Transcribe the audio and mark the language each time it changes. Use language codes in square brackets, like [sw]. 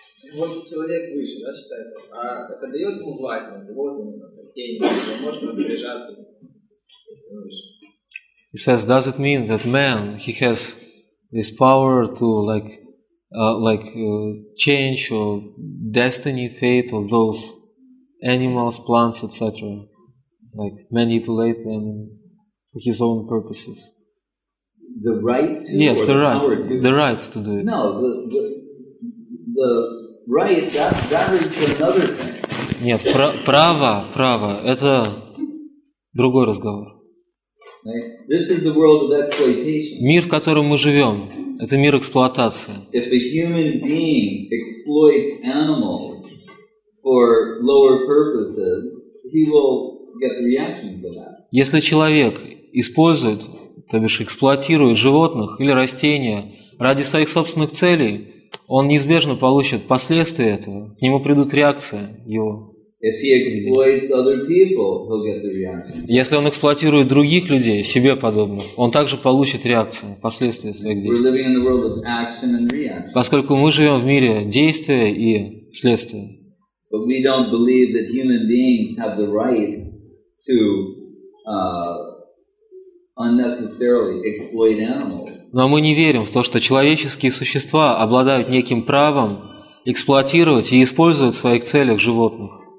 [ru] Человек выше, да, считается, а это дает ему власть над животным, растением, он может распоряжаться, если он выше. [en] He says, does it mean that man, he has this power to change or destiny, fate of those animals, plants, etc. Like manipulate them for his own purposes. The right to? Yes, the right. The right to do it. No, the right, that is another thing. [ru] Нет, право, это другой разговор. [en] This is the world of exploitation. [ru] Мир, в котором мы живем, это мир эксплуатации. [en] If a human being exploits animals for lower purposes, he will get the reaction for that. [ru] Если человек использует, то бишь эксплуатирует животных или растения ради своих собственных целей, он неизбежно получит последствия этого, к нему придут реакции его. [en] If he exploits other people, he'll get the reaction. [ru] Если он эксплуатирует других людей, себе подобных, он также получит реакцию, последствия своих действий. [en] We're living in the world of action and reaction. [ru] Поскольку мы живем в мире действия и следствия. [en] But we don't believe that human beings have the right to unnecessarily exploit animals. [ru] Но мы не верим в то, что человеческие существа обладают неким правом эксплуатировать и использовать в своих целях животных.